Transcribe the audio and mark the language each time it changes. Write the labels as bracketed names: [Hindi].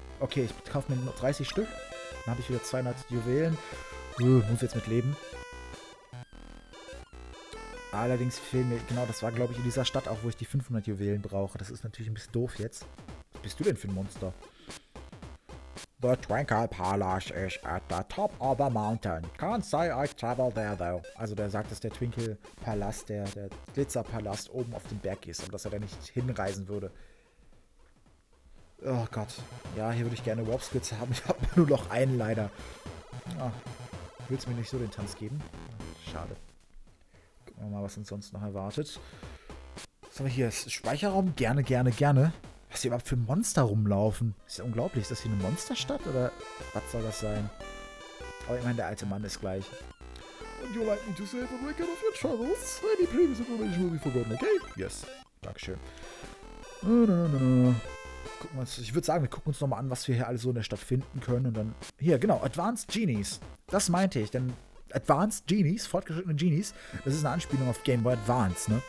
[German] Okay, ich kaufe mir nur 30 Stück. Dann habe ich wieder 200 Juwelen. Muss jetzt mit leben. Allerdings fehlen mir, genau, das war glaube ich in dieser Stadt auch, wo ich die 500 Juwelen brauche. Das ist natürlich ein bisschen doof jetzt. Was bist du denn für ein Monster? [English] The Twinkle Palace is at the top of the mountain. Can't say I travel there though. [German] Also der sagt, dass der Twinkle Palast, der Glitzerpalast oben auf dem Berg ist und dass er da nicht hinreisen würde. Oh Gott. Ja, hier würde ich gerne Warp Skills haben. Ich habe nur noch einen leider. Ach, willst du mir nicht so den Tanz geben? Schade. Gucken wir mal, was uns sonst noch erwartet. Was haben wir hier? Speicherraum? Gerne. Was hier überhaupt für Monster rumlaufen? Ist ja unglaublich. Ist das hier eine Monsterstadt oder was soll das sein? Aber ich meine, der alte Mann ist gleich. [English] Would you like me to save a record of your travels? Any previous information will be forgotten, okay? Yes. [German] Dankeschön. Gucken wir uns, ich würde sagen, wir gucken uns nochmal an, was wir hier alle so in der Stadt finden können und dann... Hier, genau, Advanced Genies. Das meinte ich, denn Advanced Genies, fortgeschrittene Genies. Das ist eine Anspielung auf Game Boy Advance, ne?